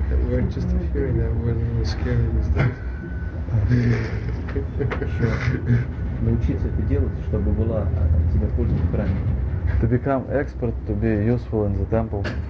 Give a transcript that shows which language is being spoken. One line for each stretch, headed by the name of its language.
English: That word, just hearing that word, a little scary these days.
Russian: Научиться это делать, чтобы была тебе польза в храме.
English: To become expert, to be useful in the temple.